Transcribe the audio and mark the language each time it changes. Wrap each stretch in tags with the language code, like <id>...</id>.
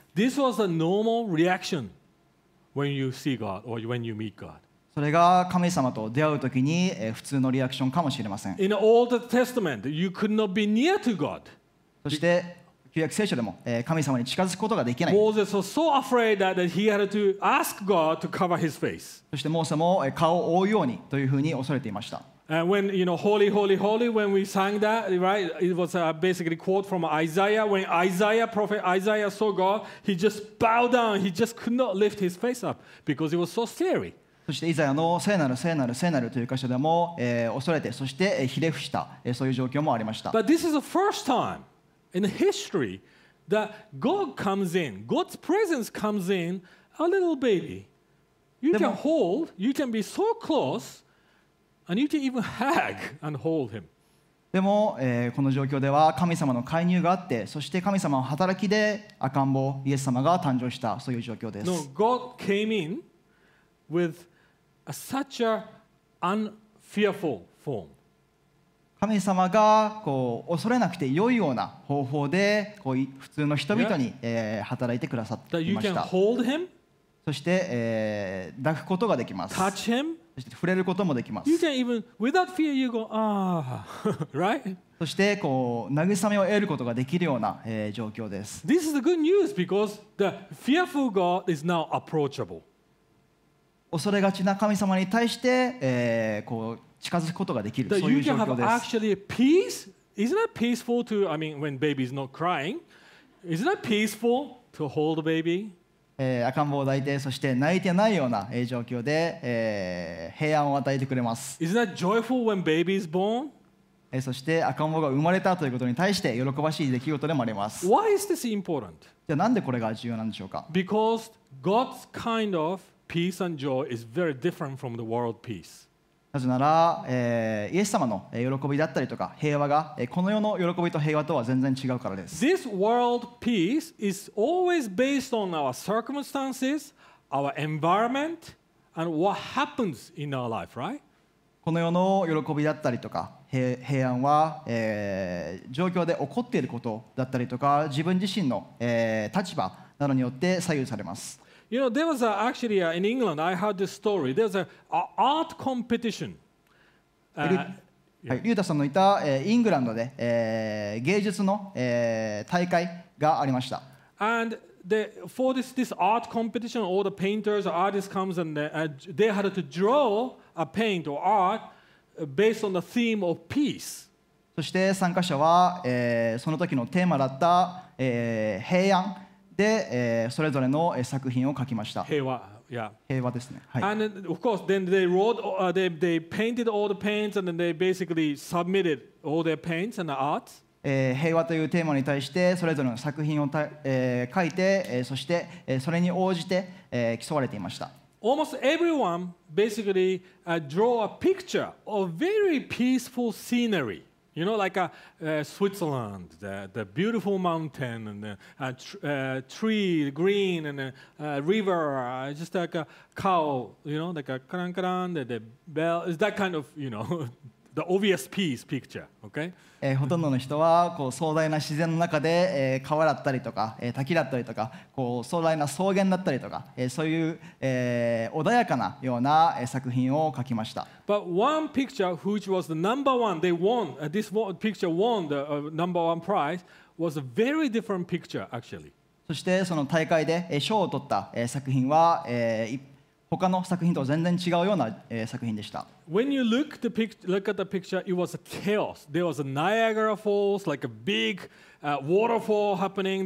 <en>This was a normal reaction. When you see God or when you meet God.</en> <ja>それが神様と出会うときに普通のリアクションかもしれません。</ja> <en>In the Old Testament, you could not be near to God.</en> <ja>そして旧約聖書でも神様に近づくことができない。</ja> <en>Moses was so afraid that he had to ask God to cover his face.</en> <ja>そしてモーセも顔を覆うようにというふうに恐れていました。</ja> <en>And when, you know, holy, holy, holy, when we sang that, right, it was a basically quote from Isaiah. When Isaiah, prophet Isaiah saw God, he just bowed down. He just could not lift his face up because it was so scary.</en> <ja>そしてイザヤの聖なる聖なる聖なるという箇所でも、恐れて、そして、ひれ伏した、そういう状況もありました。</ja> <en>But this is the first time in history that God comes in, God's presence comes in, a little baby. You can hold, you can be so close,And you can even hug and hold him.</en> <ja>でも、この状況では神様の介入があって、そして神様の働きで赤ん坊イエス様が誕生したそういう状況です。</ja> <en>No, God came in with a such a unfearful form.</en> <ja>神様がこう恐れなくて良いような方法でこう普通の人々に、yeah. 働いてくださっていました。</ja> <en>That you can hold him.</en> <ja>そして、抱くことができます。</ja> <en>Touch him.</en> <ja>触れることもできます。</ja> <en>You can even, without fear, you go, ah, right?</en> <ja>そしてこう慰めを得ることができるような、状況です。</ja> <en>This is the good news because the fearful God is now approachable.</en> <ja>恐れがちな神様に対して、こう近づくことができる、そういう状況です。</ja> <en>That you can have actually peace Isn't that peaceful to, I mean, when baby's not crying? Isn't that peaceful to hold a baby?</en> <ja>赤ん坊を抱いて、そして泣いてないような状況で、平安を与えてくれます。</ja> <en>Isn't that joyful when baby is born?</en> <ja>そして赤ん坊が生まれたということに対して喜ばしい出来事でもあります。</ja> <en>Why is this important?</en> <ja>じゃあなんでこれが重要なんでしょうか?</ja> <en>Because God's kind of peace and joy is very different from the world peace.</en> <ja>なぜなら、イエス様の喜びだったりとか平和が、この世の喜びと平和とは全然違うからです。</ja> <en>This world peace is always based on our circumstances, our environment, and what happens in our life, right?</en> <ja>この世の喜びだったりとか平安は、状況で起こっていることだったりとか自分自身の、立場などによって左右されます。</ja> <en>You know, there was a, actually a, in England, I heard this story. There was an art competition.</en> <ja>リュータさんのいた、イングランドで、芸術の、大会がありました。</ja> <en>And the, for this, this art competition, all the painters or artists comes and they, they had to draw a paint or art based on the theme of peace.</en> <ja>そして参加者は、その時のテーマだった、平安。で、それぞれの作品を描きました。平和、yeah. 平和ですね。はい。</ja> <en>And of course, then they wrote, they painted all the paints, and then they basically submitted all their paints and the art.</en> <ja>平和というテーマに対してそれぞれの作品を、描いて、そして、それに応じて、競われていました。</ja> <en>Almost everyone basically draw a picture of very peaceful scenery. You know, like a, Switzerland, the beautiful mountain, and the tree, the green, and the river, just like a cow, you know, like a karan karan, the bell. It's that kind of, you know, the obvious peace picture, okay?</en> <ja>ほとんどの人はこう壮大な自然の中で、川だったりとか、滝だったりとか、こう壮大な草原だったりとか、そういう、穏やかなような作品を描きました。</ja> <en>But one picture which was the number one, they won, this picture won the number one prize, was a very different picture, actually.</en> <ja>そしてその大会で賞を取った作品は、他の作品と全然違うような作品でした。</ja> <en>When you look, the picture, look at the picture, it was a chaos. There was a Niagara Falls, like a big waterfall happening.</en>